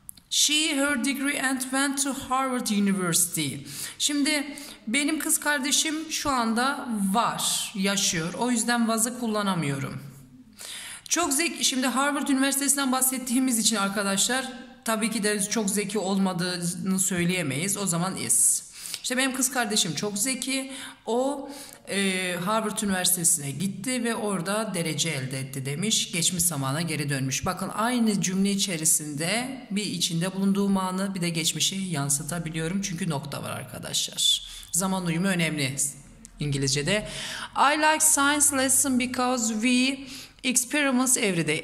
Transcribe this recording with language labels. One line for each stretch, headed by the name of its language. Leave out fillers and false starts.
English: She her degree and went to Harvard University.
Turkish: Şimdi benim kız kardeşim şu anda var, yaşıyor. O yüzden was'ı kullanamıyorum. Çok zeki. Şimdi Harvard Üniversitesi'nden bahsettiğimiz için arkadaşlar tabii ki de çok zeki olmadığını söyleyemeyiz. O zaman is. İşte benim kız kardeşim çok zeki. O Harvard Üniversitesi'ne gitti ve orada derece elde etti demiş. Geçmiş zamana geri dönmüş. Bakın aynı cümle içerisinde bir içinde bulunduğu manı bir de geçmişi yansıtabiliyorum. Çünkü nokta var arkadaşlar. Zaman uyumu önemli İngilizce'de.
English: I like science lesson because we experiments every day.